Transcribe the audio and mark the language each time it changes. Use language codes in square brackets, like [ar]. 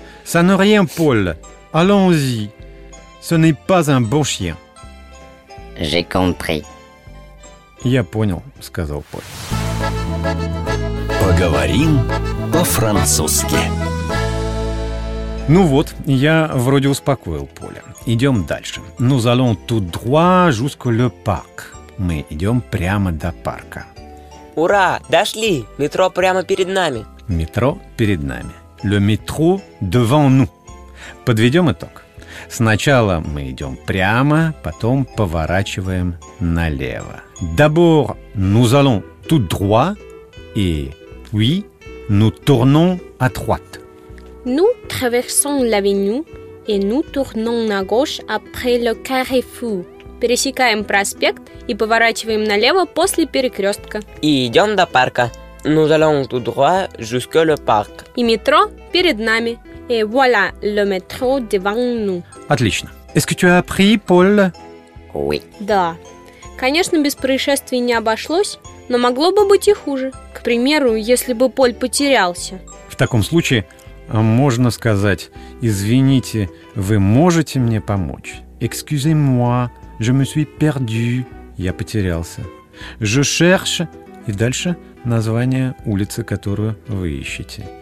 [fr] Ça n'est rien, Paul. Allons-y. Ce n'est pas un bon chien. J'ai compris. [ru] Я понял, сказал Поль. Поговорим по-французски. Ну вот, я вроде успокоил Поля. Идем дальше. [fr] Nous allons tout droit jusqu'au le parc. [ru] Мы идем прямо до парка. Ура! Дошли! Метро прямо перед нами. Метро перед нами. [fr] Le métro devant nous. [ru] Подведем итог. Сначала мы идем прямо, потом поворачиваем налево. [fr] D'abord, nous allons tout droit et puis nous tournons à droite. Nous traversons l'avenue et nous tournons à gauche après le carrefour. [ru] Пересекаем проспект и поворачиваем налево после перекрестка. И идем до парка. [fr] Nous allons tout droit jusqu'à le parc. [ru] И метро перед нами. [fr] Et voilà le métro devant nous. [ru] Отлично. [fr] Est-ce que tu as appris, Paul? Oui. [ru] Да. Конечно, без происшествий не обошлось, но могло бы быть и хуже. К примеру, если бы Поль потерялся. В таком случае можно сказать: «Извините, вы можете мне помочь?» [fr] «Excusez-moi, je me suis perdu». [ru] Я потерялся. [fr] «Je cherche». [ru] И дальше название улицы, которую вы ищете.